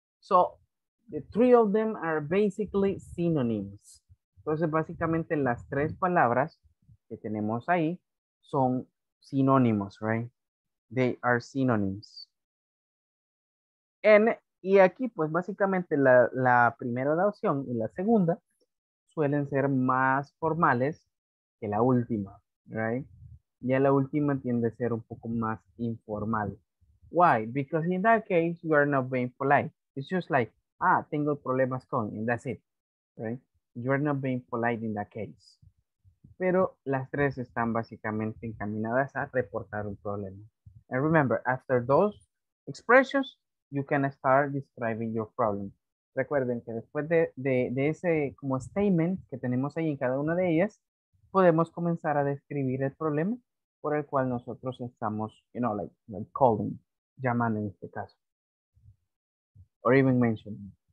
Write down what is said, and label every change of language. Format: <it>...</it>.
<en>So, the three of them are basically synonyms.</en> <es>Entonces, básicamente, las tres palabras que tenemos ahí son sinónimos, right?</es> <en>They are synonyms.</en> <es>Y aquí, pues, básicamente, la primera la opción y la segunda suelen ser más formales que la última, right? Ya la última tiende a ser un poco más informal.</es> <en>Why? Because in that case, you are not being polite. It's just like,</en> <es>ah, tengo problemas con,</es> <en>and that's it, right? You are not being polite in that case.</en> <es>Pero las tres están básicamente encaminadas a reportar un problema.</es> <en>And remember, after those expressions, you can start describing your problem.</en> <es>Recuerden que después de ese como statement que tenemos ahí en cada una de ellas, podemos comenzar a describir el problema por el cual nosotros estamos,</es> <en>you know, like calling,</en> <es>llamando en este caso.</es> <en>Or even mentioning.</en>